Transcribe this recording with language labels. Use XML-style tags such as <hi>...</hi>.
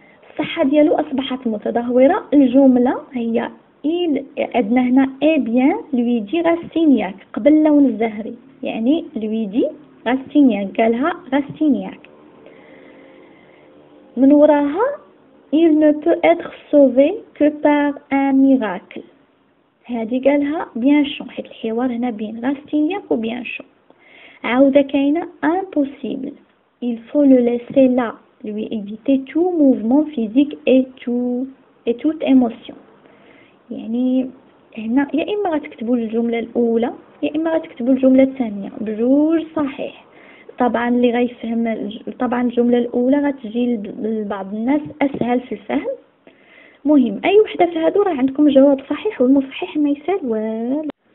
<ar>الصحه ديالو اصبحت متدهوره. الجمله هي إيل، عندنا هنا اي بيان لويدي غاستينياك قبل اللون الزهري، يعني لويدي غاستينياك قالها غاستينياك. من وراها</ar> <fr>il ne peut être sauvé que par un miracle،</fr> <ar>هذه قالها بيان شون، حيت الحوار هنا بين غاستينياك وبيان شون. عاودة كاينة</ar> <fr>impossible، il faut le laisser là lui éviter tout mouvement physique et toute émotion.</fr> <ar>يعني هنا يا إما غتكتبوا الجملة الأولى يا إما غتكتبوا الجملة الثانية، بجوج صحيح. طبعا اللي غيفهم طبعا الجملة الأولى غتجي لبعض الناس أسهل في الفهم. مهم أي وحدة في هادو راه عندكم جواب صحيح، والمصحيح ما يسال والو.</ar>